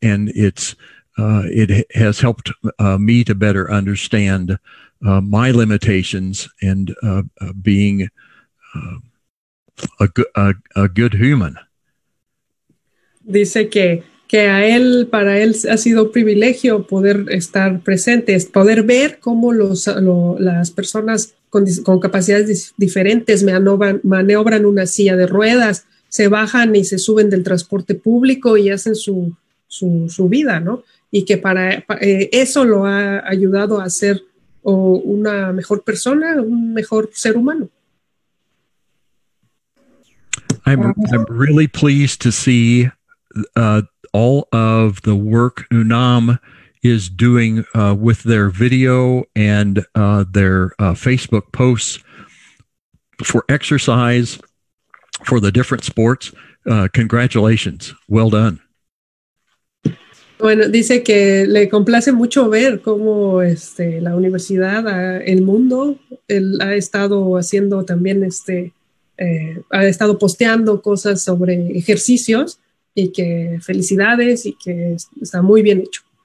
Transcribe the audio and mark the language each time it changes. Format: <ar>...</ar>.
<en>And it has helped me to better understand my limitations and being a good human.</en> <es>Dice que para él ha sido un privilegio poder estar presente, poder ver cómo las personas con capacidades diferentes maniobran una silla de ruedas, se bajan y se suben del transporte público y hacen su vida, ¿no? Y que para eso lo ha ayudado a ser una mejor persona, un mejor ser humano.</es> <en>I'm really pleased to see all of the work UNAM is doing with their video and their Facebook posts for exercise for the different sports. Congratulations. Well done.</en> <es>Bueno, dice que le complace mucho ver cómo la universidad, el mundo, él ha estado haciendo también ha estado posteando cosas sobre ejercicios. Y que felicidades, y que está muy bien hecho.</es>